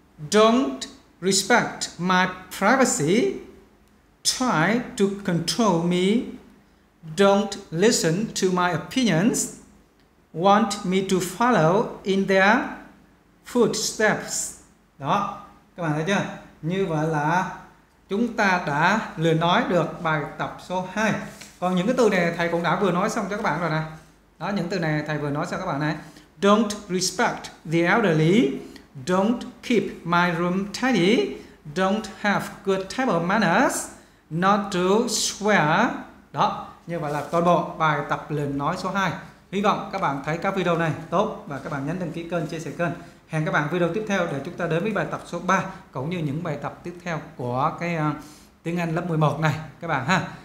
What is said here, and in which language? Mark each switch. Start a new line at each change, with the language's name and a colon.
English: Don't respect my privacy. Try to control me. Don't listen to my opinions. Want me to follow in their footsteps.
Vietnamese: Đó, các bạn thấy chưa? Như vậy là chúng ta đã lừa nói được bài tập số 2. Còn những cái từ này thầy cũng đã vừa nói xong cho các bạn rồi nè. Đó, những từ này thầy vừa nói xong các bạn này.
English: Don't respect the elderly. Don't keep my room tidy. Don't have good table manners. not to swear.
Vietnamese: Đó, như vậy là toàn bộ bài tập luyện nói số 2. Hy vọng các bạn thấy các video này tốt và các bạn nhấn đăng ký kênh, chia sẻ kênh. Hẹn các bạn video tiếp theo để chúng ta đến với bài tập số 3 cũng như những bài tập tiếp theo của cái tiếng Anh lớp 11 này các bạn ha.